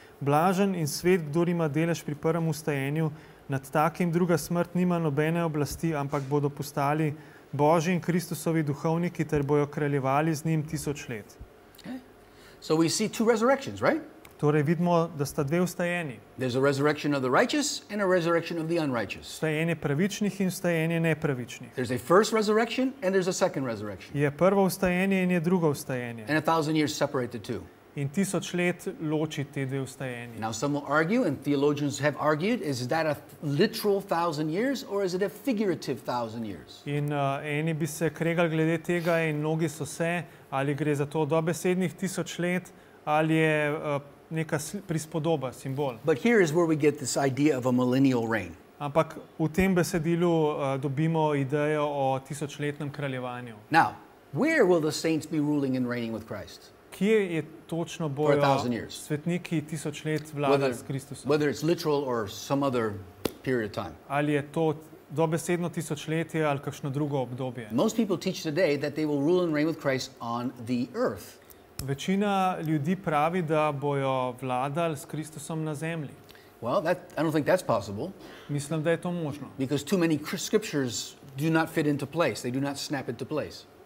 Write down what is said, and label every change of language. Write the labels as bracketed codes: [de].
[sl] Blažen in svet, kdor ima delež pri prvem vstajenju, nad takim druga smrt nima nobene oblasti, ampak bodo postali Božji in Kristusovi duhovniki, ter bojo kraljevali z njim 1,000 let. [en] Okay. So we see two resurrections, right? [sl] Torej vidimo, da sta dve vstajeni. [en] There's a resurrection of the righteous and a resurrection of the unrighteous. [sl] Vstajenje pravičnih in vstajenje nepravičnih. [en] There's a first resurrection and there's a second resurrection. [sl] Je prvo vstajenje in je drugo vstajenje. [en] And 1,000 years separate the two. [sl] In 1,000 let loči te dve vstajenje. [en] Now some will argue, and theologians have argued, is that a literal 1,000 years or is it a figurative 1,000 years? [sl] In eni bi se kregali glede tega in mnogi so se, ali gre za to dobesednih 1,000 let, ali je neka prispodoba, simbol. [en] But here is where we get this idea of a millennial reign. [sl] Ampak v tem besedilu dobimo idejo o 1,000-letnem kraljevanju. [en] Now, where will the saints be ruling and reigning with Christ? [sl] Kje je točno bojo svetniki 1,000 let vladali s Kristusom? [en] Whether it's literal or some other period of time. [sl] Ali je to dobesedno 1,000-letje ali kakšno drugo obdobje? [en] Most people teach today that they will rule and reign with Christ on the earth. [sl] Večina ljudi pravi, da bojo vladali s Kristusom na zemlji. [en] Well, I don't think that's possible. [sl] Mislim, da je to možno. [en] Because too many scriptures do not fit into place. They do not snap into place.